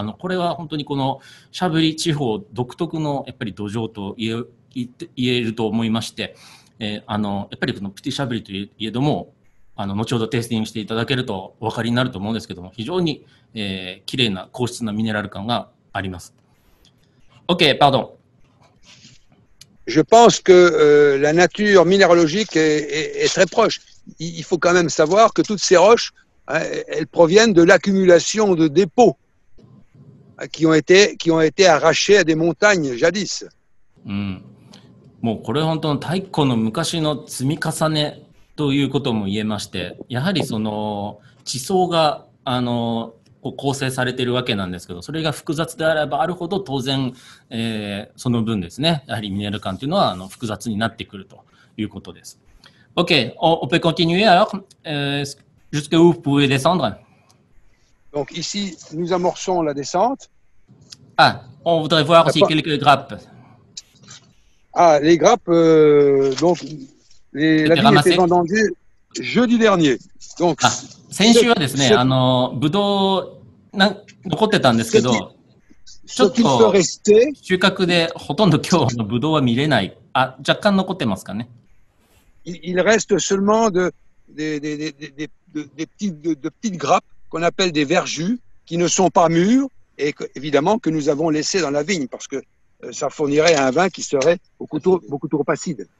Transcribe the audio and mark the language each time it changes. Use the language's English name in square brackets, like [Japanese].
[Japanese] これは本当にこのシャブリ地方独特のやっぱり土壌と言えると思いまして、やっぱりこのプティシャブリといえども、後ほどテイスティングしていただけるとお分かりになると思うんですけども、非常に、綺麗な硬質なミネラル感があります。 [French] OK, pardon. Je pense que la nature minéralogique est très proche. Il faut quand même savoir que toutes ces roches, elles proviennent de l'accumulation de dépôts qui ont été arrachés à des montagnes jadis. [Japanese] もうこれ本当の太古の昔の積み重ねということも言えまして、やはりその地層が構成されているわけなんですけど、それが複雑であればあるほど当然、その分ですね、やはりミネラル感というのは複雑になってくるということです。 [French] OK, on peut continuer alors. Jusque où vous pouvez descendre? Donc ici, nous amorçons la descente. Ah, on voudrait voir aussi quelques grappes. Ah, les grappes, donc, la vigne était vendangée jeudi dernier. Donc, [Japanese] 先週はですね、ブドウ、残ってたんですけど、ちょっと収穫でほとんど今日のブドウは見れない。あ、若干残ってますかね。 [French] Il reste seulement de petites grappes qu'on appelle des verjus qui ne sont pas mûres et évidemment que nous avons laissé dans la vigne parce que ça fournirait un vin qui serait beaucoup trop acide.